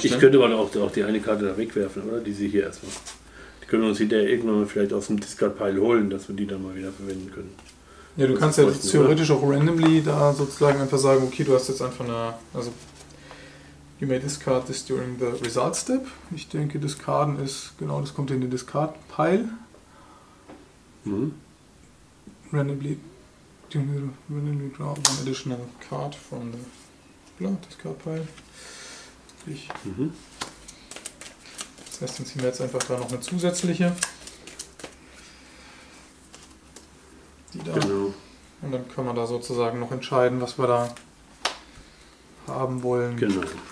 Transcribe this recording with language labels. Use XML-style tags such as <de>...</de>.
<de>Ich könnte mal auch die eine Karte da wegwerfen, oder? Die sie hier erstmal. Die können wir uns hinterher irgendwann vielleicht aus dem Discard-Pile holen, dass wir die dann mal wieder verwenden können. Ja, du kannst ja theoretisch auch randomly da sozusagen einfach sagen, okay, du hast jetzt einfach eine, also,</de> <en>you may discard this during the result step.</en> <de>Ich denke, discarden ist, genau, das kommt in den Discard-Pile.</de> <en>Randomly draw one additional card from the Discard-Pile.</en> <de>Das heißt, dann ziehen wir jetzt einfach da noch eine zusätzliche. Genau. Und dann können wir da sozusagen noch entscheiden, was wir da haben wollen. Genau.</de>